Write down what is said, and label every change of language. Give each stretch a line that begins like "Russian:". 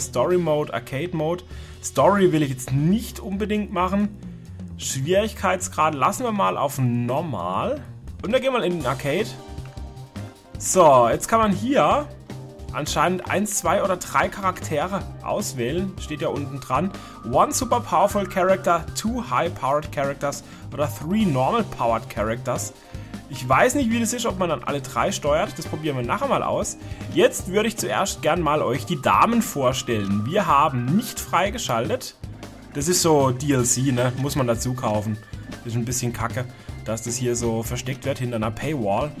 German: Story Mode, Arcade Mode. Story will ich jetzt nicht unbedingt machen. Schwierigkeitsgrad lassen wir mal auf normal. Und dann gehen wir in den Arcade. So, jetzt kann man hier anscheinend 1, 2 oder 3 Charaktere auswählen. Steht ja unten dran.
English: One super powerful character, 2 high powered characters oder 3 normal powered characters.
German: Ich weiß nicht, wie das ist, ob man dann alle drei steuert. Das probieren wir nachher mal aus. Jetzt würde ich zuerst gern mal euch die Damen vorstellen. Wir haben nicht freigeschaltet. Das ist so DLC, ne? Muss man dazu kaufen. Ist ein bisschen kacke, dass das hier so versteckt wird hinter einer Paywall.